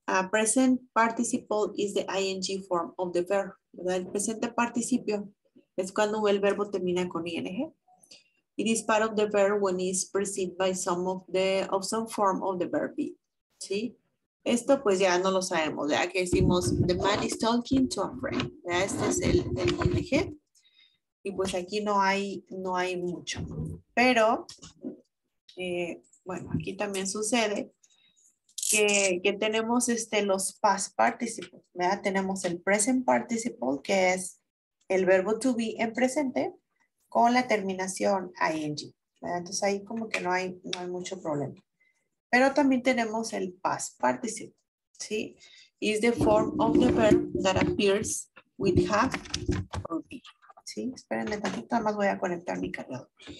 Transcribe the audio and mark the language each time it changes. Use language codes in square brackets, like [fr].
[en] Present participle is the ing form of the verb. [es] ¿Verdad? El presente participio es cuando el verbo termina con ing. [en] It is part of the verb when it is preceded by some form of the verb be. [es] ¿Sí? Esto pues ya no lo sabemos, ya que decimos [en] the man is talking to a friend. [es] ¿Ya? Este es el ing. Y pues aquí no hay mucho. Pero, bueno, aquí también sucede que tenemos los past participles. ¿Verdad? Tenemos el present participle que es el verbo to be en presente con la terminación ing. Entonces ahí como que no hay mucho problema. Pero también tenemos el past participle, ¿sí? [en] Is the form of the verb that appears with have or be. [es] ¿Sí? Espérenme tantito, nada más voy a conectar mi cargador.